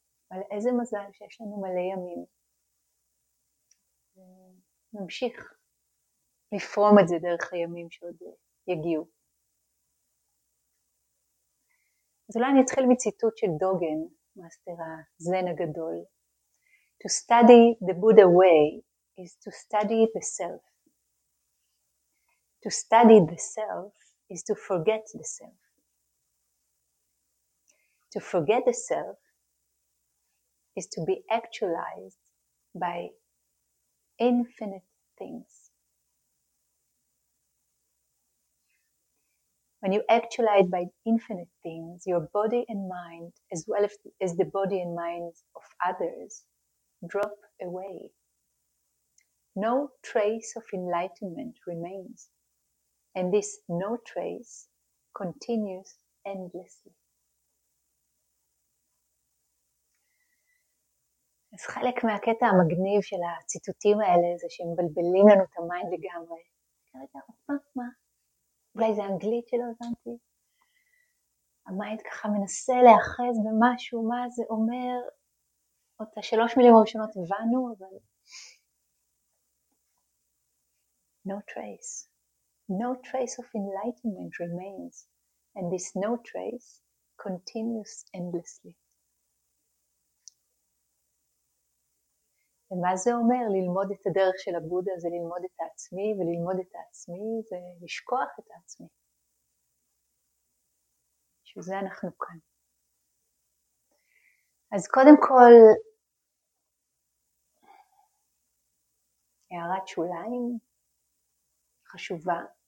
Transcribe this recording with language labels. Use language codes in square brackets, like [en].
[he] אבל איזה מזל שיש לנו מלא ימים. נמשיך לפרום את זה דרך הימים שעוד יגיעו. אז אולי אני אתחיל מציטוט של דוגן, מאסטר הזן הגדול. [en] To study the Buddha way is to study the self. To study the self is to forget the self. To forget the self is to be actualized by infinite things. When you actualize by infinite things, your body and mind, as well as the body and minds of others, drop away. No trace of enlightenment remains, and this no trace continues endlessly. [he] אז חלק מהקטע המגניב של הציטוטים האלה זה שהם מבלבלים לנו את המיינד לגמרי. רגע, מה? אולי זה אנגלית שלא הבנתי? המיינד ככה מנסה לאחז במשהו, מה זה אומר? את השלוש מילים הראשונות הבנו, אבל... [en] No trace. No trace of enlightenment remains, and this no trace continues endlessly. [he] ומה זה אומר? ללמוד את הדרך של הבודה זה ללמוד את העצמי, וללמוד את העצמי זה לשכוח את העצמי. שזה אנחנו כאן. אז קודם כל, הערת שוליים חשובה.